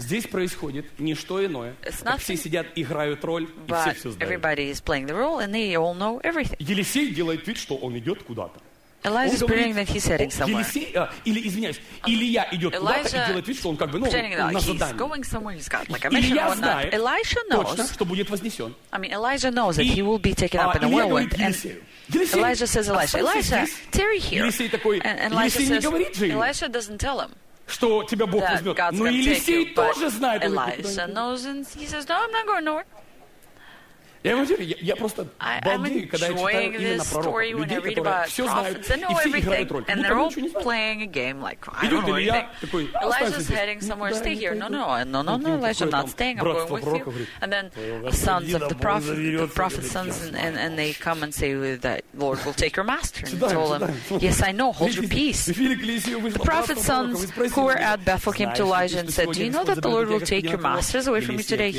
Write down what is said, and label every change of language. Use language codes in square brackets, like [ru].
[ru] Здесь происходит не что иное. Все сидят, играют роль, и все знают. [en] Everybody is playing the role, and they all know everything. [ru] Елисей делает вид, что он идет куда-то. [en] Elijah is pretending that he's heading somewhere. [ru] Илия идет куда-то и делает вид, что он как бы, ну, на задание. [en] He's going somewhere. He's got like a mission. [ru] Илия знает. [en] Elijah knows. [ru] Точно, что будет вознесен. [en] I mean, Elijah knows that he will be taken up in a whirlwind. Elijah says, Elijah, tarry here. Elijah doesn't tell him [ru] что тебя Бог возьмет. Но Елисей тоже знает. [en] Elijah knows and he says, no, I'm not going nowhere. [ru] Я вам говорю, я просто балдею, когда я читаю именно пророков, людей, которые все знают, и все играют роль. [en] And they're all playing a game like, I don't know anything. Elijah's heading somewhere, stay here. No, Elijah, I'm not staying, I'm going with you. And then sons of the prophet's sons, and they come and say that Lord will take your master. And told him, yes, I know, hold your peace. The prophet's sons who were at Bethel came to Elijah and said, do you know that the Lord will take your masters away from you today?